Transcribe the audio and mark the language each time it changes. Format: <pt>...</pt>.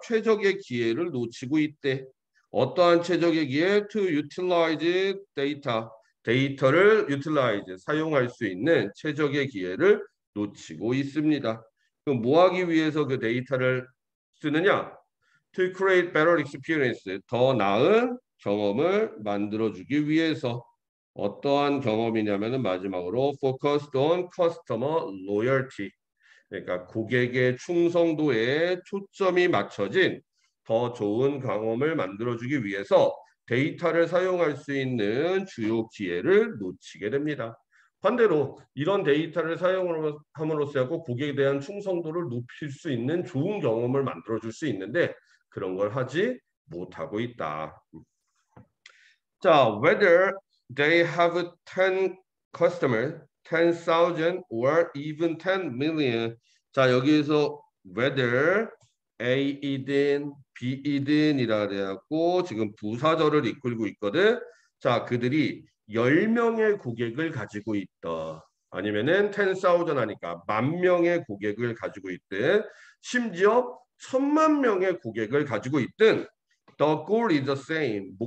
<ko>최적의 기회를 놓치고 있대. 어떠한 최적의 기회?</ko> <en>To utilize data.</en> <ko>데이터를 utilize, 사용할 수 있는 최적의 기회를 놓치고 있습니다. 그럼 뭐 하기 위해서 그 데이터를 쓰느냐?</ko> <en>To create better experience.</en> <ko>더 나은 경험을 만들어주기 위해서. 어떠한 경험이냐면은 마지막으로</ko> <en>focused on customer loyalty.</en> <ko>그러니까 고객의 충성도에 초점이 맞춰진 더 좋은 경험을 만들어주기 위해서 데이터를 사용할 수 있는 주요 기회를 놓치게 됩니다. 반대로 이런 데이터를 사용함으로써 고객에 대한 충성도를 높일 수 있는 좋은 경험을 만들어줄 수 있는데 그런 걸 하지 못하고 있다.</ko> <en>자, whether they have 10 customers, 10,000 or even 10 million.</en> <ko>자, 여기에서 whether A이든 B이든 이라 그래갖고 지금 부사절을 이끌고 있거든. 자, 그들이 10명의 고객을 가지고 있다. 아니면은 10,000 하니까 만 명의 고객을 가지고 있든 심지어 천만 명의 고객을 가지고 있든</ko> <en>the goal is the same.</en>